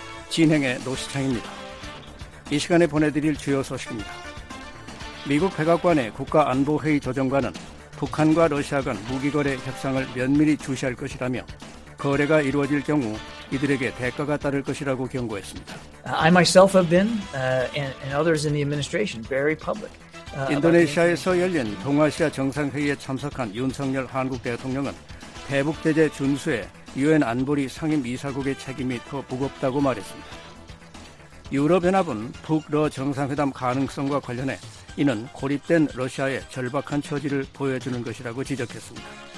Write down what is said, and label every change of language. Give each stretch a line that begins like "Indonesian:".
Korean: 진행의 노시창입니다. 이 시간에 보내드릴 주요 소식입니다. 미국 백악관의 국가안보회의 조정관은 북한과 러시아 간 무기거래 협상을 면밀히 주시할 것이라며 거래가 이루어질 경우 이들에게 대가가 따를 것이라고 경고했습니다.
English: I myself have been and others in the administration very public.
Korean: 인도네시아에서 열린 동아시아 정상회의에 참석한 윤석열 한국 대통령은 대북 제재 준수에 유엔 안보리 상임이사국의 책임이 더 무겁다고 말했습니다. 유럽연합은 북러 정상회담 가능성과 관련해 이는 고립된 러시아의 절박한 처지를 보여주는 것이라고 지적했습니다.